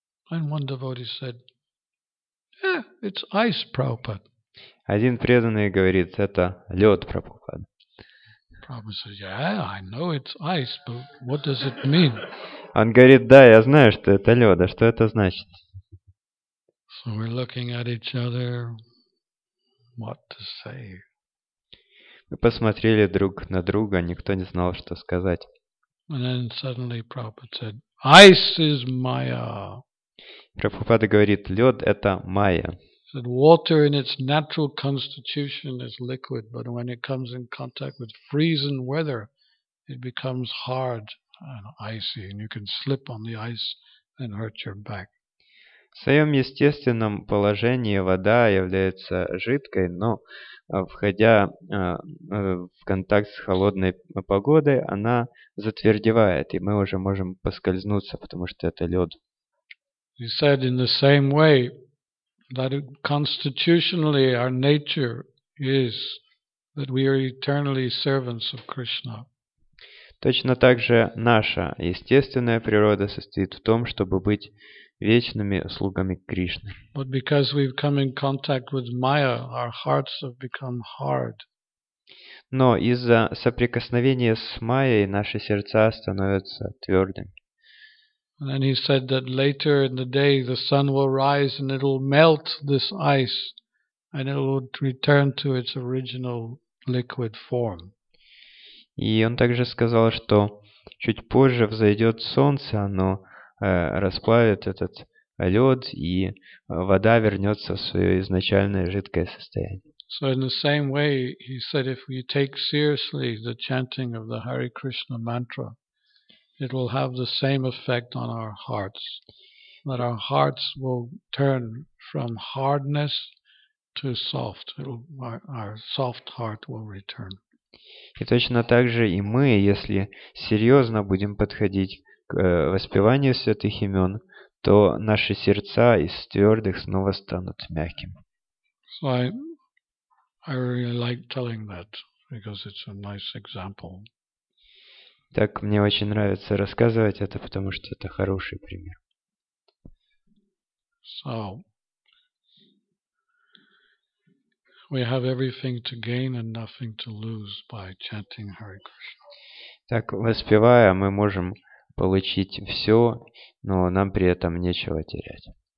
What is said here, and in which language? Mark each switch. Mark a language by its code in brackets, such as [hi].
[en] And one devotee said, "Yeah, it's ice, Prabhupada." [ru] Один преданный говорит, это лед, Прабхупада. [en] Prabhupada said, "Yeah, I know it's ice, but what does it mean?" [ru] Он говорит, да, я знаю, что это лед, а что это значит? [en] So we're looking at each other, what to say. [ru] Мы посмотрели друг на друга, никто не знал, что сказать. [en] And then suddenly Prabhupada said, "Ice is Maya." [ru] Прабхупада говорит, лед – это майя. [en] Said, water in its natural constitution is liquid, but when it comes in contact with freezing weather, it becomes hard and icy, and you can slip on the ice and hurt your back. [ru] В своем естественном положении вода является жидкой, но входя в контакт с холодной погодой, она затвердевает, и мы уже можем поскользнуться, потому что это лед. [en] He said in the same way that constitutionally our nature is that we are eternally servants of Krishna. [ru] Точно так же наша естественная природа состоит в том, чтобы быть вечными слугами Кришны. [en] But because we've come in contact with Maya, our hearts have become hard. [ru] Но из-за соприкосновения с Майей наши сердца становятся твердыми. [en] And then he said that later in the day the sun will rise and it will melt this ice and it will return to its original liquid form. [ru] И он также сказал, что чуть позже взойдет солнце, оно расплавит этот лед, и вода вернется в свое изначальное жидкое состояние. [en] So in the same way he said if we take seriously the chanting of the Hare Krishna mantra, it will have the same effect on our hearts, that our hearts will turn from hardness to soft. Our soft heart will return. [ru] И точно так же и мы, если серьезно будем подходить к воспеванию святых имен, то наши сердца из твердых снова станут мягким. [en] So I really like telling that because it's a nice example. [ru] Так мне очень нравится рассказывать это, потому что это хороший пример. [en] So, we have everything to gain and nothing to lose by chanting Hare Krishna. [ru] Так, воспевая, мы можем получить все, но нам при этом нечего терять.